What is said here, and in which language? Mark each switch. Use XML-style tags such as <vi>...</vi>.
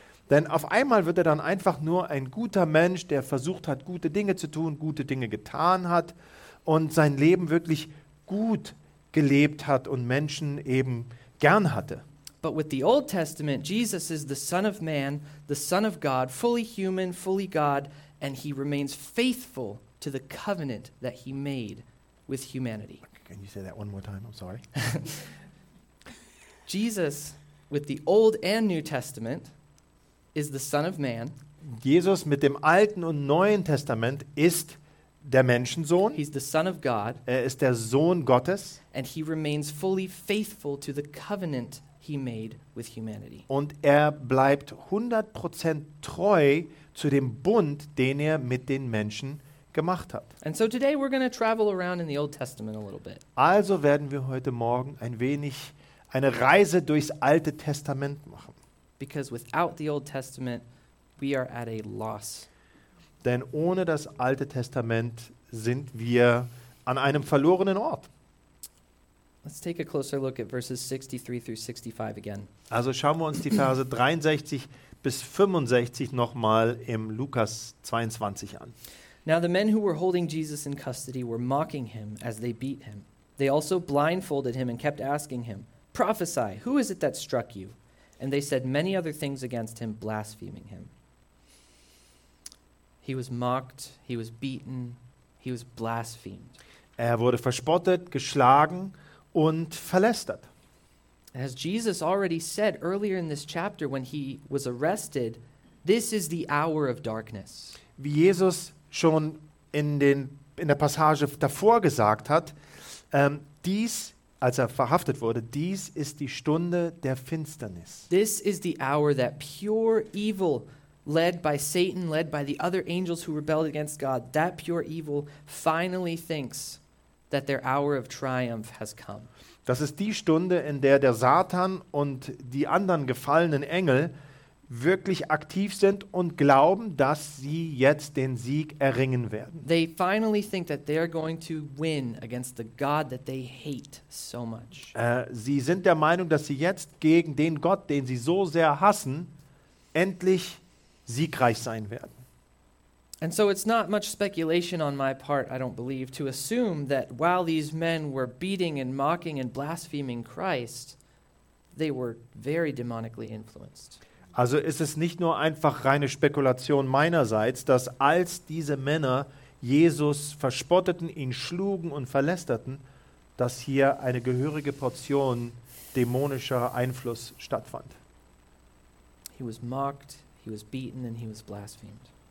<de>Denn auf einmal wird er dann einfach nur ein guter Mensch, der versucht hat, gute Dinge zu tun, gute Dinge getan hat und sein Leben wirklich gut gelebt hat und Menschen eben gern hatte.</de> <en>But with the Old Testament, Jesus is the Son of Man, the Son of God, fully human, fully God, and he remains faithful to the covenant that he made with humanity. Can you say that one more time? I'm sorry. Jesus, with the Old and New Testament, is the Son of Man.</en> <de>Jesus mit dem Alten und Neuen Testament ist der Menschensohn.</de> <en>He's the Son of God.</en> <de>Er ist der Sohn Gottes.</de> <en>And he remains fully faithful to the covenant he made with humanity.</en> <de>Und er bleibt 100% treu zu dem Bund, den er mit den Menschen gemacht hat.</de> <en>And so today we're going to travel around in the Old Testament a little bit.</en> <de>Also werden wir heute Morgen ein wenig eine Reise durchs Alte Testament machen.</de> <en>Because without the Old Testament, we are at a loss.</en> <de>Denn ohne das Alte Testament sind wir an einem verlorenen Ort.</de> <en>Let's take a closer look at verses 63 through 65 again.</en> <de>Also schauen wir uns die Verse 63 bis 65 nochmal im Lukas 22 an.</de> <en>Now the men who were holding Jesus in custody were mocking him as they beat him. They also blindfolded him and kept asking him, prophesy, who is it that struck you? And they said many other things against him, blaspheming him. He was mocked, he was beaten, he was blasphemed.</en> <de>Er wurde verspottet, geschlagen und verlästert.</de> <en>As Jesus already said earlier in this chapter when he was arrested, this is the hour of darkness.</en> <de>Wie Jesus schon in der Passage davor gesagt hat, dies, als er verhaftet wurde, dies ist die Stunde der Finsternis.</de> <en>This is the hour that pure evil, led by Satan, led by the other angels who rebelled against God, that pure evil finally thinks that their hour of triumph has come.</en> <de>Das ist die Stunde, in der der Satan und die anderen gefallenen Engel wirklich aktiv sind und glauben, dass sie jetzt den Sieg erringen werden.</de> <en>They finally think that they're going to win against the God that they hate so much.</en> <de>Sie sind der Meinung, dass sie jetzt gegen den Gott, den sie so sehr hassen, endlich siegreich sein werden.</de> <en>And so it's not much speculation on my part, I don't believe, to assume that while these men were beating and mocking and blaspheming Christ, they were very demonically influenced.</en> <de>Also ist es nicht nur einfach reine Spekulation meinerseits, dass als diese Männer Jesus verspotteten, ihn schlugen und verlästerten, dass hier eine gehörige Portion dämonischer Einfluss stattfand.</de> <en>He was mocked, he was beaten and he was blasphemed.</en>